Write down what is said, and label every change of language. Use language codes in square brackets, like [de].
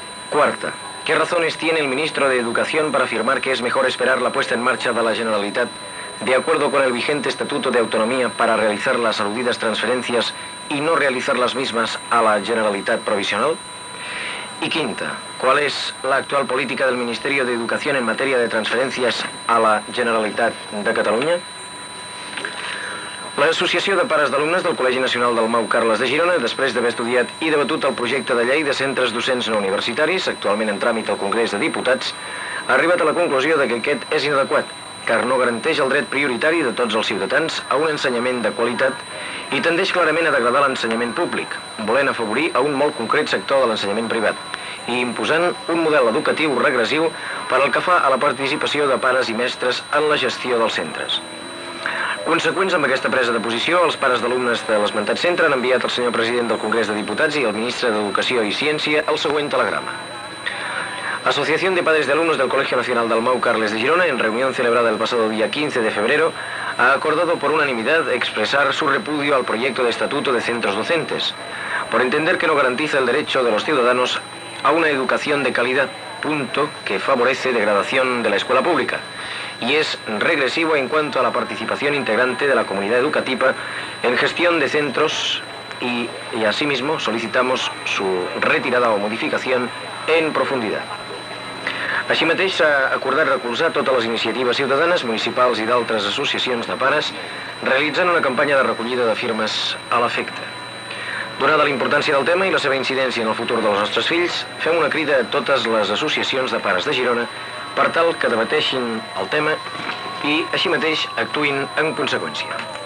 [es] Cuarta, ¿qué razones tiene el ministro de Educación para afirmar que es mejor esperar la puesta en marcha de la Generalitat de acuerdo con el vigente Estatuto de Autonomía para realizar las aludidas transferencias y no realizar las mismas a la Generalitat Provisional? Y quinta, ¿cuál es la actual política del Ministerio de Educación en materia de transferencias a la Generalitat de Cataluña? [ca] L'Associació de Pares d'Alumnes del Col·legi Nacional del Mau Carles de Girona, després d'haver estudiat i debatut el projecte de llei de centres docents no universitaris, actualment en tràmit al Congrés de Diputats, ha arribat a la conclusió de que aquest és inadequat, car no garanteix el dret prioritari de tots els ciutadans a un ensenyament de qualitat i tendeix clarament a degradar l'ensenyament públic, volent afavorir a un molt concret sector de l'ensenyament privat i imposant un model educatiu regressiu per al que fa a la participació de pares i mestres en la gestió dels centres. Conseqüents amb aquesta presa de posició, els pares d'alumnes de l'esmentat centre han enviat al senyor president del Congrés de Diputats i al ministre d'Educació i Ciència el següent telegrama. [es] Asociación de Padres de Alumnos del Colegio Nacional del Mau Carles de Girona, en reunión celebrada el pasado día 15 de febrero, ha acordado por unanimidad expresar su repudio al proyecto de estatuto de centros docentes, por entender que no garantiza el derecho de los ciudadanos a una educación de calidad, punto que favorece degradación de la escuela pública, y es regresivo en cuanto a la participación integrante de la comunidad educativa en gestión de centros y asimismo solicitamos su retirada o modificación en profundidad. [ca] Així mateix s'ha acordat recolzar totes les iniciatives ciutadanes, municipals i d'altres associacions de pares realitzant una campanya de recollida de firmes a l'efecte. Donada la importància del tema i la seva incidència en el futur dels nostres fills, fem una crida a totes les associacions de pares de Girona per tal que debateixin el tema i així mateix actuïn en conseqüència.